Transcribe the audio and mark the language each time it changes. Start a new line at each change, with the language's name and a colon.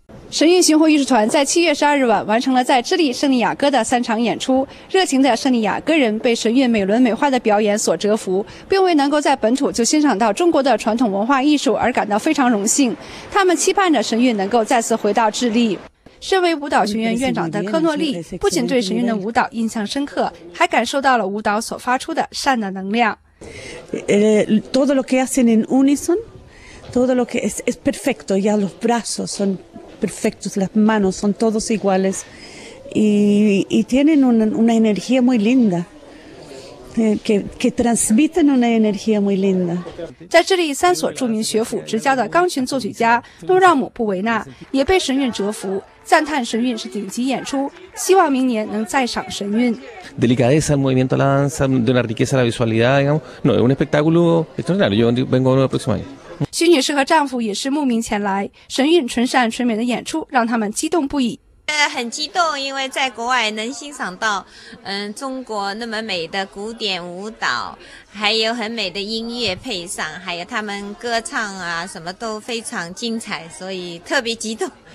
Chinese: 神韵巡回艺术团在7月12日晚完成了在智利圣地亚哥的三场演出，热情的圣地亚哥人被神韵美轮美奂的表演所折服，并为能够在本土就欣赏到中国的传统文化艺术而感到非常荣幸。他们期盼着神韵能够再次回到智利。身为舞蹈学院院长的科诺利不仅对神韵的舞蹈印象深刻，还感受到了舞蹈所发出的善的能量。
Spanish: Todo lo que hacen en unison, todo lo que es perfecto, ya los brazos son perfectos, las manos son todos iguales y tienen una energía muy linda. que transmiten una energía muy linda.
Chinese: 在智利三所著名学府之家的钢琴作曲家都让姆布维纳也被神韵折服，赞叹神韵是顶级演出，希望明年能再赏神韵。
Spanish: Delicadeza al movimiento a la danza, de una riqueza a la visualidad, digamos, no, es un espectáculo extraordinario. Yo vengo el próximo año.
Chinese: 徐女士和丈夫也是慕名前来，神韵纯善纯美的演出让他们激动不已。很激动，因为在国外能欣赏到中国那么美的古典舞蹈，还有很美的音乐配上，还有他们歌唱啊什么都非常精彩，所以特别激动。